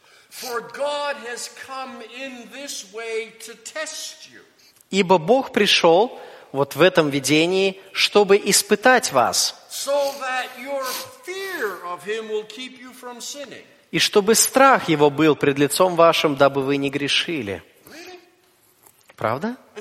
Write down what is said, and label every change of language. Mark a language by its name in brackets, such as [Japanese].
[English] For God has come in this way to test you. [Russian] Ибо Бог пришел вот в этом видении, чтобы испытать вас. [English] So that your fear of him will keep you from sinning. [Russian] И чтобы страх его был пред лицом вашим, дабы вы не грешили. Правда?